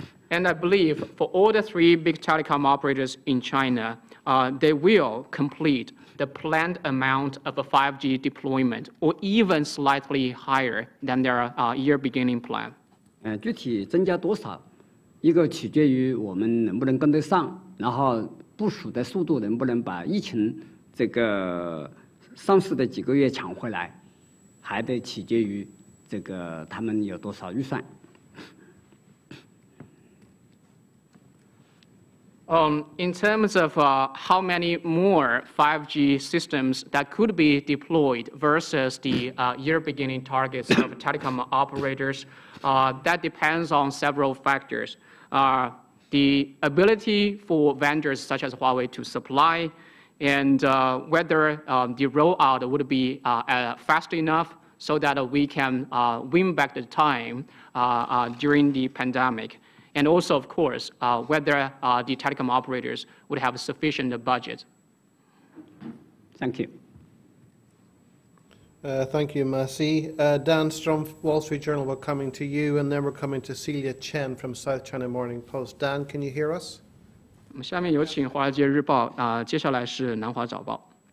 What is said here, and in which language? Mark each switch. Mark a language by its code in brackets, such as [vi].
[en] And I believe for all the three big telecom operators in China, they will complete the planned amount of a 5G deployment, or even slightly higher than their year beginning plan. [zh] 具体增加多少？一个取决于我们能不能跟得上，然后部署的速度能不能把疫情这个上市的几个月抢回来，还得取决于这个他们有多少预算。 [en] In terms of how many more 5G systems that could be deployed versus the year beginning targets of telecom operators, that depends on several factors. The ability for vendors such as Huawei to supply, and whether the rollout would be fast enough so that we can win back the time during the pandemic, and also, of course, whether the telecom operators would have sufficient budget. Thank you. Thank you, Massey. Dan Strom, Wall Street Journal, we're coming to you, and then we're coming to Celia Chen from South China Morning Post. Dan, can you hear us? [zh] 下面有请华尔街日报，接下来是南华早报。